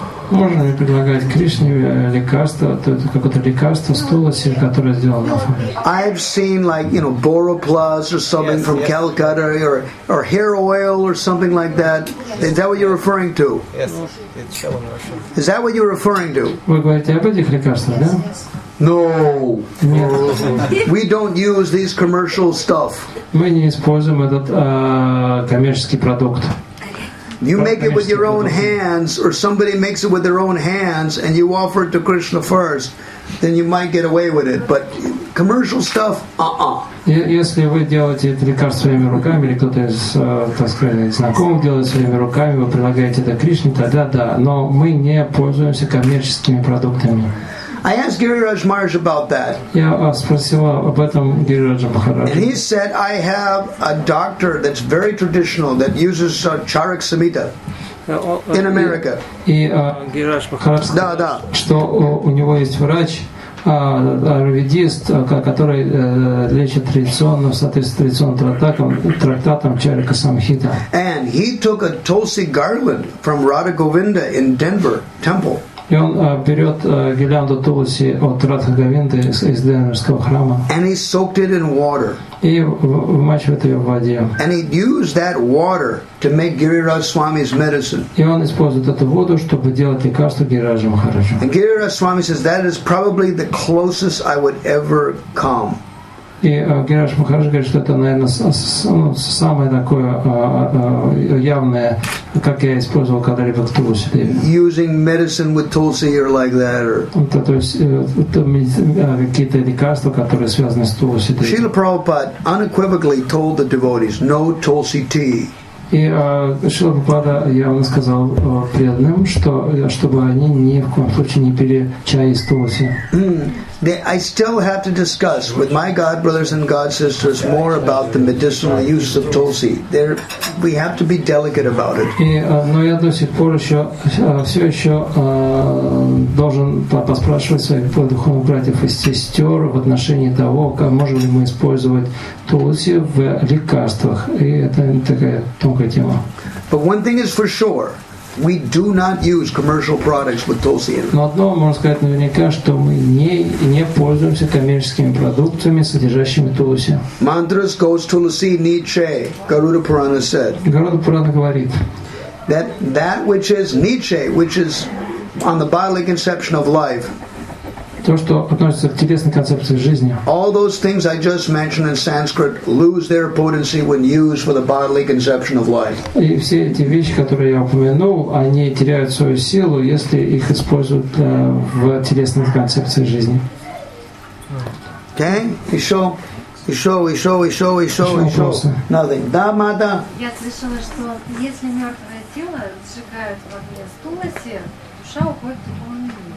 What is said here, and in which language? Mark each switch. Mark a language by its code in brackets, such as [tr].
[ru] Можно ли предлагать Кришне лекарство, какое-то лекарство с тулси, которое сделано? [en] I've seen like, you know, Boroplus or something, yes, from, yes. Calcutta or hair oil or something like that. Yes. Is that what you're referring to? Yes. Is that what you're referring to? [ru] Вы говорите об этих лекарствах, да? [en] No. We don't use these commercial stuff. [ru] Мы не используем этот коммерческий продукт. [en] You make it with your own hands, or somebody makes it with their own hands, and you offer it to Krishna first, then you might get away with it. But commercial stuff, [ru] Если вы делаете это лекарство своими руками, или кто-то из, так сказать, знакомых делает своими руками, вы предлагаете это Кришне, тогда да. Но мы не пользуемся коммерческими продуктами. [en] I asked Giriraj Maharaj about that. [ru] Я спросила об этом Гирираджа Махараджа. [en] And he said, I have a doctor that's very traditional that uses Charak Samhita in America. [ru] И Гирираж Махарадж сказал, да, да. Что у него есть врач, аюрведист, который лечит традиционно, в соответствии с традиционным трактатом Чарика Самхита. [en] And he took a Tulsi garland from Radha Govinda in Denver temple. [ru] И он берет гирлянду Тулси от Радха Говинды из Денверского храма. [en] And he soaked it in water. [ru] И вмачивает ее в воде. [en] And he used that water to make Girira Swami's medicine. [ru] И он использует эту воду, чтобы делать лекарство Гирираджа Махараджа. [en] And Girira Swami says that is probably the closest I would ever come. [ru] И Гирираж Махарадж говорит, что это, наверное, самое такое явное, как я использовал когда-либо в Тулсе. [en] Using medicine with Tulsi or like that. [ru] То есть какие-то лекарства, которые связаны с Тулсе. [en] Шрила Прабхупада unequivocally told the devotees, no Tulsi tea. [ru] И Шрила Прабхупада явно сказал преданным, что чтобы они ни в коем случае не пили чай из Тулсе. [en] I still have to discuss with my God brothers and God sisters more about the medicinal use of Tulsi. There, we have to be delicate about it. [ru] Но я до сих пор все еще должен поспрашивать своих духовных братьев и сестер в отношении того, как можем ли мы использовать Тулси в лекарствах. И это такая тонкая тема. [en] But one thing is for sure. We do not use commercial products with Tulsi in it. [ru] Но одно можно сказать наверняка, что мы не пользуемся коммерческими продуктами, содержащими Тулси. [en] Mantras goes Tulsi Niche, Garuda Purana said. [ru] Garuda Purana говорит. [en] That which is Niche, which is on the bodily conception of life. [ru] То, что относится к телесной концепции жизни. [en] All those things I just mentioned in Sanskrit lose their potency when used for the bodily conception of life. [ru] И все эти вещи, которые я упомянул, они теряют свою силу, если их используют в телесной концепции жизни. Okay, еще. [en] Nothing. [ru] Да, мада. Я слышала, что если мертвое тело сжигают в огне Тулси, душа уходит в другой мир.